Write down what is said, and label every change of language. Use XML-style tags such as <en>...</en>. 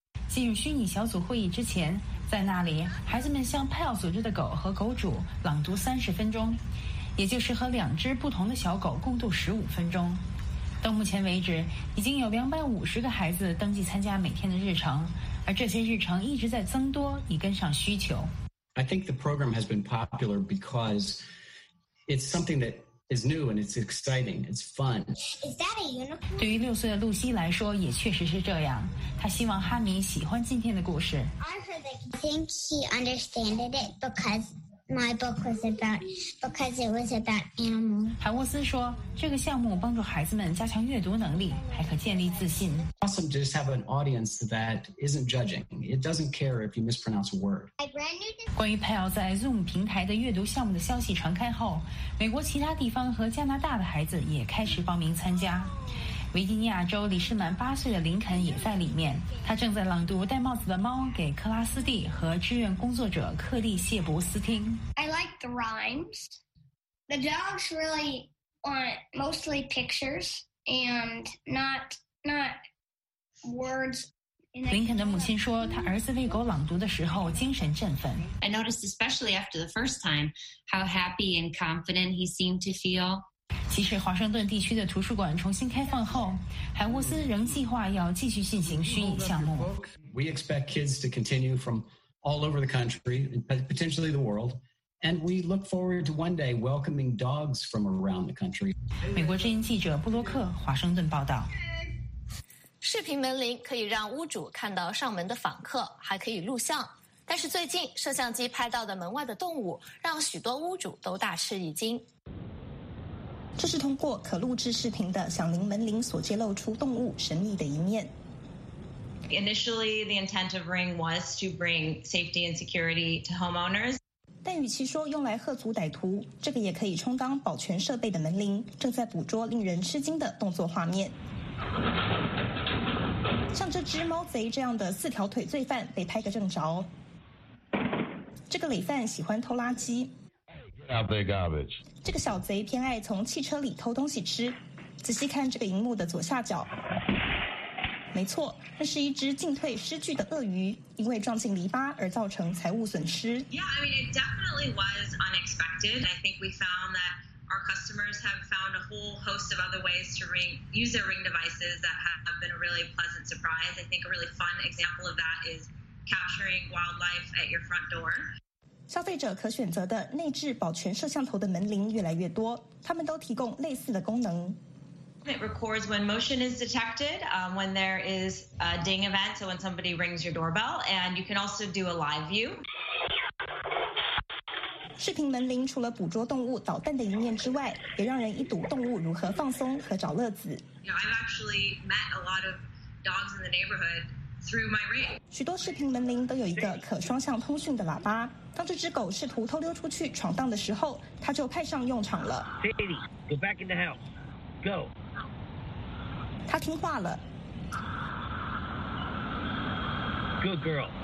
<zh>进入虚拟小组会议之前，在那里孩子们向 PAL 组织的狗和狗主朗读30分钟，也就是和两只不同的小狗共度15分钟。到目前为止，已经有250个孩子登记参加每天的日程。而这些日程一直在增多，以跟上需求。</zh> <en>I think the program has been popular because it's something that is new and it's exciting. It's fun. Is that a unicorn?</en> <zh>对于6岁的露西来说，也确实是这样。她希望哈米喜欢今天的故事。</zh> <en>I think he understood it because my book was about animals.</en> <zh>韩沃森说，这个项目帮助孩子们加强阅读能力，还可建立自信。</zh> <en>Awesome to just have an audience that isn't judging. It doesn't care if you mispronounce a word.</en> <zh>关于 PAL 在 Zoom 平台的阅读项目的消息传开后，美国其他地方和加拿大的孩子也开始报名参加。维吉尼亚州离世满8岁的林肯也在里面，他正在朗读《戴帽子的猫》给克拉斯蒂和志愿工作者克利谢伯斯听。</zh> <en>I like the rhymes. The dogs really want mostly pictures and not.</en> <zh>林肯的母亲说，他儿子为狗朗读的时候精神振奋。</zh> <en>I noticed, especially after the first time, how happy and confident he seemed to feel.</en> <zh>即使华盛顿地区的图书馆重新开放后，韩沃森仍计划要继续进行虚拟项目。</zh> <en>We expect kids to continue from all over the country, potentially the world. And we look forward to one day welcoming dogs from around the country.</en> <zh>美国之音记者布洛克，华盛顿报道。视频门铃可以让屋主看到上门的访客，还可以录像。但是最近摄像机拍到的门外的动物让许多屋主都大吃一惊。这是通过可录制视频的响铃门铃所揭露出动物神秘的一面。</zh> <en>Initially, the intent of Ring was to bring safety and security to homeowners.</en> <zh>但与其说用来吓阻歹徒，这个也可以充当保全设备的门铃，正在捕捉令人吃惊的动作画面。像这只猫贼这样的4条腿罪犯被拍个正着。这个累犯喜欢偷垃圾。</zh> <en>Get out there, garbage.</en> <zh>这个小贼偏爱从汽车里偷东西吃。仔细看这个荧幕的左下角。没错，那是一只进退失据的鳄鱼，因为撞进篱笆而造成财务损失。</zh> <en>Yeah, I mean, it definitely was unexpected. I think we found that our customers have found a whole host of other ways to use their Ring devices that have been a really pleasant surprise. I think a really fun example of that is capturing wildlife at your front door.</en> <zh>消费者可选择的内置保全摄像头的门铃越来越多，他们都提供类似的功能。</zh> <en>It records when motion is detected, when there is a ding event, so when somebody rings your doorbell, and you can also do a live view.</en> <zh>视频门铃除了捕捉动物捣蛋的一面之外，也让人一睹动物如何放松和找乐子。</zh> <en>You know, I've actually met a lot of dogs in the neighborhood through my Ring.</en> <zh>许多视频门铃都有一个可双向通讯的喇叭，当这只狗试图偷溜出去闯荡的时候，它就派上用场了。</zh> <en>Sadie, go back in the house. Go.</en> <zh>他听话了。</zh> <en>Good girl.</en>